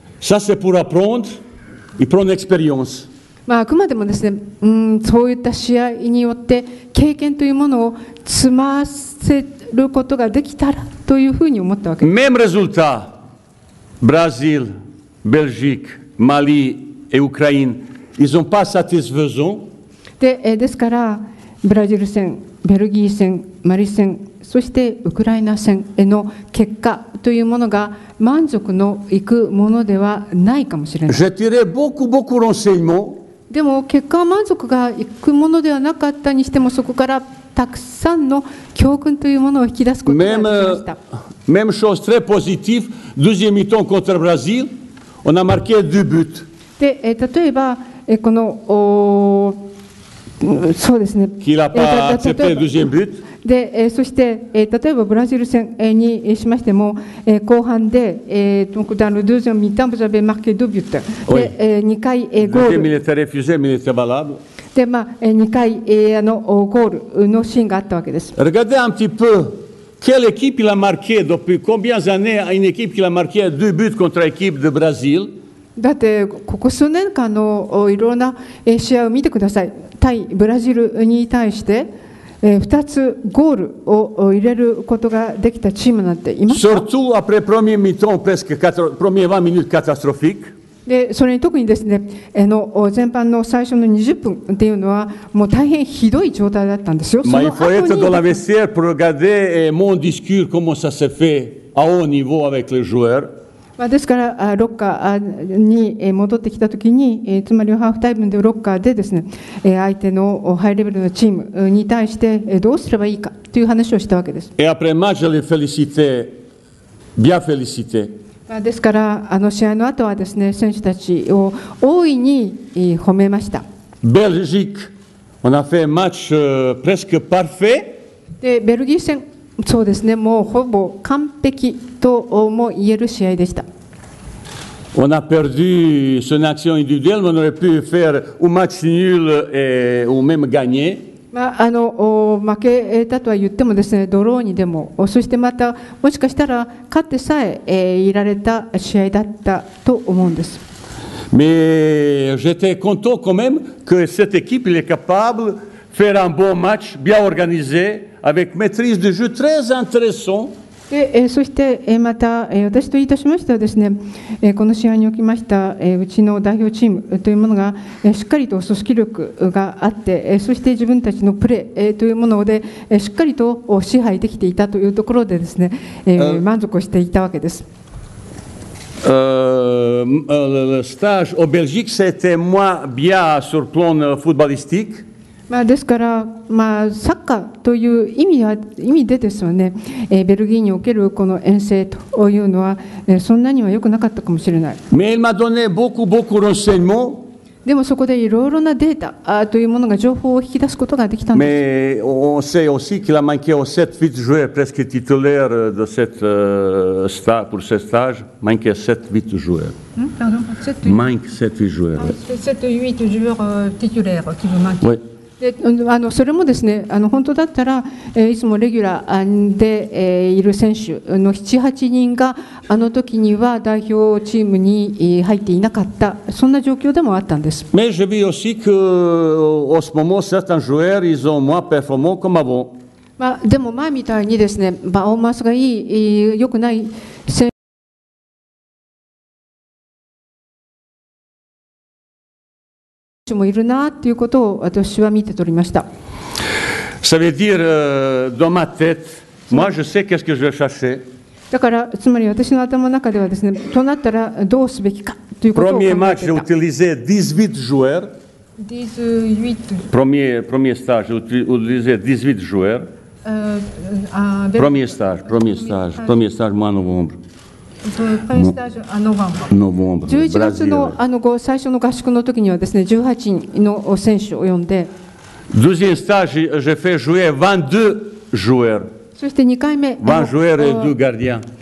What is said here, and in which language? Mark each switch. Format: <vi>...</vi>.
<fr>Ça c'est pour apprendre et prendre expérience。</fr> <ja>まあ、あくまでもですね、そういった試合によって経験というものを積ませることができたらというふうに思ったわけです。</ja> <fr>Même résultat、ブラジル、Belgique, Mali et Ukraine, ils n'ont pas satisfaisant.</fr> <ja>ですから、ブラジル戦、ベルギー戦、マリ戦、そしてウクライナ戦への結果というものが満足のいくものではないかもしれない。</ja> <fr>J'ai tiré beaucoup, beaucoup d'enseignements.</fr> <ja>でも結果は満足がいくものではなかったにしても、そこからたくさんの教訓というものを引き出すことができました。</ja> <fr>Même chose très positive, deuxième mi-temps contre Brésil. On a marqué deux buts.</fr> <ja>で、例えば、このそうですね。</ja> <fr>Qui l'a pas accepté le deuxième but?</fr> <ja>で、そして、例えばブラジル戦にしましても、後半で、</ja> <fr>dans le deuxième mi-temps, vous avez marqué deux buts. Oui.</fr> <ja>で、2回ゴール。</ja> <fr>Deuxième, il était refusé, mais il était valable.</fr> <ja>で、まあ、2回ゴールのシーンがあったわけです。</ja> <fr>Regardez un petit peu. Quelle équipe il a marqué depuis combien d'années une équipe qui a marqué deux buts contre l'équipe de Brésil?</fr> <ja>だってここ数年間のいろんな試合を見てください。対ブラジルに対して2つゴールを入れることができたチームなんていますか？</ja> <fr>Surtout après premier mi-temps presque 4, premier 20 minutes catastrophique.</fr> <ja>でそれに特にですね、全般の最初の20分っていうのはもう大変ひどい状態だったんですよ。</ja> <fr>Mais il faut être dans la vestiaire pour regarder mon discours comment ça s'est fait à haut niveau avec les joueurs。</fr> <ja>まあ、ですからロッカーに戻ってきたときに、つまりハーフタイムでロッカーでですね、相手のハイレベルのチームに対してどうすればいいかという話をしたわけです。</ja> <fr>Et après match, je les félicite, bien félicite.</fr> <ja>ですからあの試合の後はですね、選手たちを大いに褒めました。</ja> <fr>ベルギー戦、on a fait match presque parfait。</fr> <ja>で、ベルギー戦、そうですね、もうほぼ完璧とも言える試合でした。</ja> <fr>On a perdu sur une action individuelle, on aurait pu faire un match nul ou même gagner.</fr> <ja>まあ、負けたとは言ってもですね、ドローにでも、そしてまたもしかしたら勝ってさえ、いられた試合だったと思うんです。</ja> <fr>Mais j'étais content quand même que cette équipe est capable de faire un bon match, bien organisé, avec maîtrise de jeu très intéressant.</fr> <ja>でそしてまた私といたしましてはですね、この試合におきましたうちの代表チームというものがしっかりと組織力があって、そして自分たちのプレーというものでしっかりと支配できていたというところでですね、満足をしていたわけです。スタージオベルギークセテモアビアスルプロンフットボリスティック、まあ、ですから、まあ、サッカーという意味でですよね、ベルギーにおけるこの遠征というのは、そんなには良くなかったかもしれない。でもそこでいろいろなデータというものが情報を引き出すことができたんです。</ja> <fr>On sait aussi qu'il a manqué aux 7 8 joueurs presque titulaires de cette stage pour ce stage, manque 7 8 joueurs. Pardon, 7 8 manque 7 8 joueurs. 7 8 joueurs titulaires qui vous manquent. Oui.</fr> <ja>それもですね、本当だったらいつもレギュラーでいる選手の 7,8 人があの時には代表チームに入っていなかった、そんな状況でもあったんです。</ja> <fr>Mais je vis aussi que en ce moment certains joueurs ils ont moins performant comme avant.</fr> <ja>まあでも前みたいにですね、パフォーマンスがいい良くない選手もいるなということを私は見て取りました。</ja> <fr>Ça veut dire, dans ma tête, moi je sais qu'est-ce que je vais chercher.</fr> <ja>だから、つまり私の頭の中ではですね、となったらどうすべきかということを。</ja> <fr>Premier match, j'ai utilisé 18 joueurs. 18. Premier stage, j'ai utilisé 18 joueurs. Premier stage, mois novembre.</fr> <ja>11月 の, あの最初の合宿の時にはですね、18人の選手を呼んで、</ja> <fr>deuxième stage, j'ai fait jouer 22 joueur.</fr> <ja>そして2回目。</ja> <fr>Un joueur et deux gardiens.</fr>